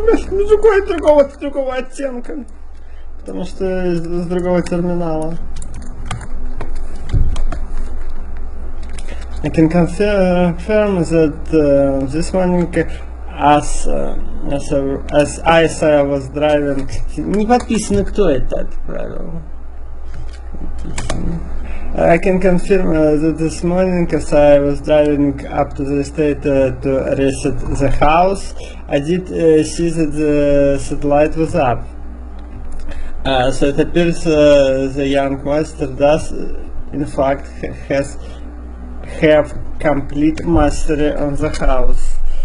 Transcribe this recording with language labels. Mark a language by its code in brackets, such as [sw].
[ru] Другого оттенка, потому что с другого терминала. [en] I can confirm that this morning, as I saw, I was driving. [ru] Не подписано, кто это отправил. [en] I can confirm that this morning, as I was driving up to the estate to reset the house, I did see that the satellite was up. So it appears the young master does, in fact, have complete mastery on the house.